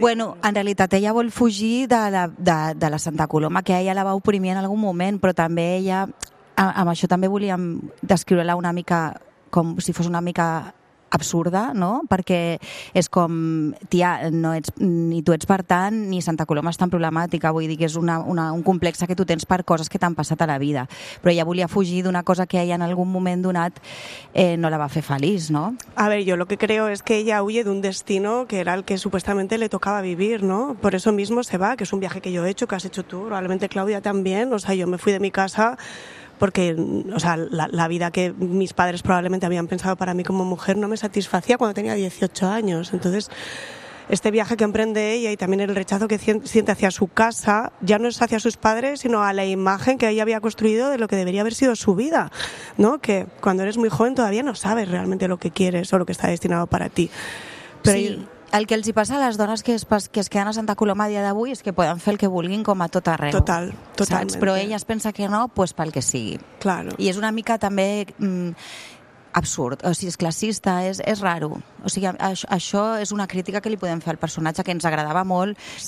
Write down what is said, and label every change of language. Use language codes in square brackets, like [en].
[ca] Bueno, en realitat ella vol fugir de la Santa Coloma, que ella la va oprimir en algun moment, però també ella, amb això també volíem descriure-la una mica com si fos una mica absurda, no? Perquè és com, tia, no ets, ni tu ets per tant, ni Santa Coloma és tan problemàtica, vull dir que és un complex que tu tens per coses que t'han passat a la vida. Però ella volia fugir d'una cosa que ella en algun moment donat no la va fer feliç, no? [es] A ver, yo lo que creo es que ella huye de un destino que era el que supuestamente le tocaba vivir, ¿no? Por eso mismo se va, que es un viaje que yo he hecho, que has hecho tú, probablemente Claudia también, o sea, yo me fui de mi casa... Porque, o sea, la vida que mis padres probablemente habían pensado para mí como mujer no me satisfacía cuando tenía 18 años. Entonces, este viaje que emprende ella y también el rechazo que siente hacia su casa, ya no es hacia sus padres, sino a la imagen que ella había construido de lo que debería haber sido su vida, ¿no? Que cuando eres muy joven todavía no sabes realmente lo que quieres o lo que está destinado para ti. Pero sí. [ca] El que els hi passa a les dones que es queden a Santa Coloma a dia d'avui és que poden fer el que vulguin com a tot arreu. Total, totalment. Saps? Però ella es pensa que no, pues pel que sigui. [es] Claro. [ca] I és una mica també absurd. O sigui, és classista, és raro. O sigui, això és una crítica que li podem fer al personatge, que ens agradava molt, sí.